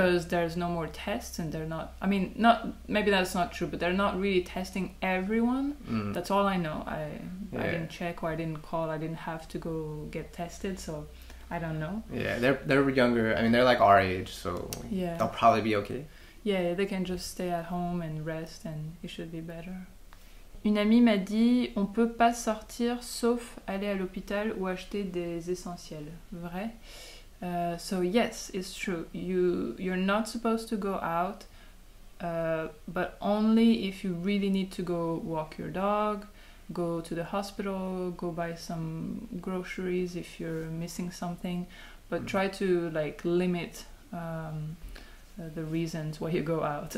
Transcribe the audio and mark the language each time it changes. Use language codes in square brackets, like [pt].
[en] Because there's no more tests and they're not... I mean, not maybe that's not true, but they're not really testing everyone. That's all I know. I didn't check or I didn't call. I didn't have to go get tested, so I don't know. Yeah, they're younger. I mean, they're like our age, so they'll probably be okay. Yeah, they can just stay at home and rest and it should be better. [fr] Une amie m'a dit, on peut pas sortir sauf aller à l'hôpital ou acheter des essentiels. Vrai? [en] So yes, it's true. You're not supposed to go out, but only if you really need to go walk your dog, go to the hospital, go buy some groceries if you're missing something. But try to like limit the reasons why you go out.